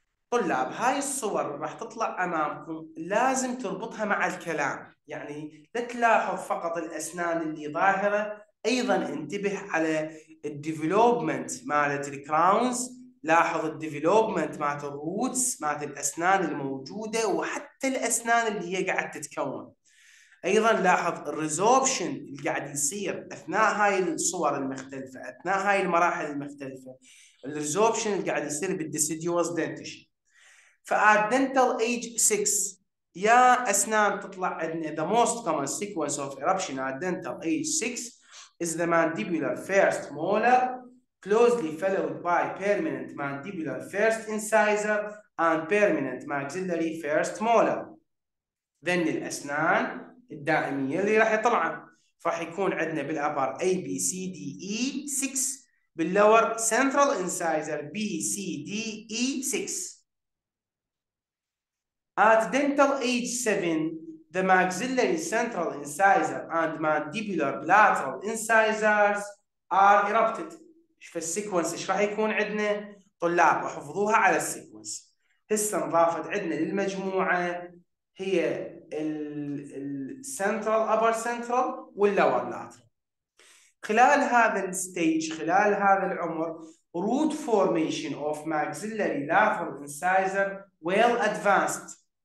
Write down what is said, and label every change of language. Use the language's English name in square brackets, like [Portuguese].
[Arabic] طلاب هاي الصور راح تطلع امامكم لازم تربطها مع الكلام، يعني لا تلاحظ فقط الاسنان اللي ظاهره، ايضا انتبه على الديفلوبمنت مالت الكراونز، لاحظ الديفلوبمنت مالت الروتس، مالت الاسنان الموجوده وحتى الاسنان اللي هي قاعد تتكون. ايضا لاحظ الريزوربشن اللي قاعد يصير اثناء هاي الصور المختلفه، اثناء هاي المراحل المختلفه، الريزوربشن اللي قاعد يصير بالديسيديوس دنتيشن. فات دنتال ايج 6 يا اسنان تطلع عندنا [English] the most common sequence of eruption at dental age 6 is the mandibular first molar closely followed by permanent mandibular first incisor and permanent maxillary first molar. [Arabic] ذن الاسنان الدائميه اللي راح يطلعن، فراح يكون عندنا بالابر A B C D E 6، باللور central incisor B C D E 6. [English] At dental age 7, the maxillary central incisor and mandibular lateral incisors are erupted. [Arabic] شوف السيكونس ايش راح يكون عندنا؟ طلاب احفظوها على السيكونس. هسه انضافت عندنا للمجموعه هي السنترال ابر سنترال واللور لاترال. خلال هذا الستيج، خلال هذا العمر، [English] Root formation of maxillary lateral incisor will advanced.